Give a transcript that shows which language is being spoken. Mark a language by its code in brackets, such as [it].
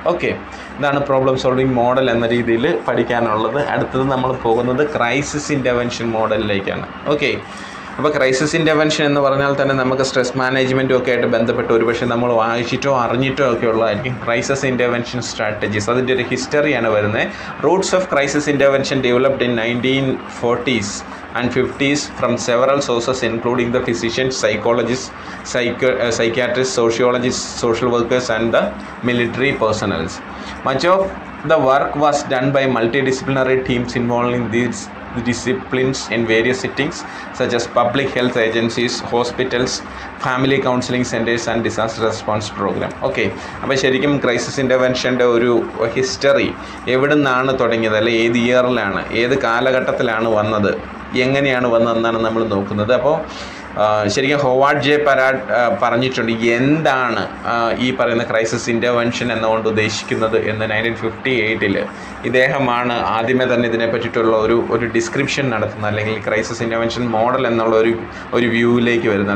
[ml] Okay, ഇതാണ് problem solving model എന്ന രീതിയിൽ പഠിക്കാനുള്ളത്. അടുത്തത് നമ്മൾ പോകുന്നത് ക്രൈസിസ് ഇൻ്റർവെൻഷൻ മോഡലിലേക്കാണ്. ഓക്കെ, അപ്പോൾ ക്രൈസിസ് ഇൻ്റർവെൻഷൻ എന്ന് പറഞ്ഞാൽ തന്നെ നമുക്ക് സ്ട്രെസ് മാനേജ്മെൻറ്റും ഒക്കെ ആയിട്ട് ബന്ധപ്പെട്ട് ഒരു പക്ഷേ നമ്മൾ വായിച്ചിട്ടോ അറിഞ്ഞിട്ടോ ഒക്കെ ഉള്ളതായിരിക്കും ക്രൈസിസ് ഇൻ്റർവെൻഷൻ സ്ട്രാറ്റജീസ്. അതിൻ്റെ ഒരു ഹിസ്റ്ററിയാണ് വരുന്നത്. [en] Roots of crisis intervention developed in 1940s and 50s from several sources including the physicians, psychologists, psychiatrists, sociologists, social workers and the military personnel. Much of the work was done by multidisciplinary teams involving these disciplines in various settings such as public health agencies, hospitals, family counseling centers and disaster response program. [ml] Okay, appo sherikkum crisis intervention de oru history evidunnaanu thodangiyad alle ed year laanu ed kaalagattathilaanu vannathu എങ്ങനെയാണ് വന്നതെന്നാണ് നമ്മൾ നോക്കുന്നത്. അപ്പോൾ ശരിക്കും Howard J പരാഡ് പറഞ്ഞിട്ടുണ്ട് എന്താണ് ഈ പറയുന്ന crisis intervention എന്നുകൊണ്ട് ഉദ്ദേശിക്കുന്നത് എന്ന്. 1958 ഇദ്ദേഹമാണ് ആദ്യമേ തന്നെ ഇതിനെ പറ്റിയിട്ടുള്ള ഒരു ഡിസ്ക്രിപ്ഷൻ നടത്തുന്നത്, അല്ലെങ്കിൽ ക്രൈസിസ് ഇൻ്റർവെൻഷൻ മോഡൽ എന്നുള്ള ഒരു വ്യൂവിലേക്ക് വരുന്നത്.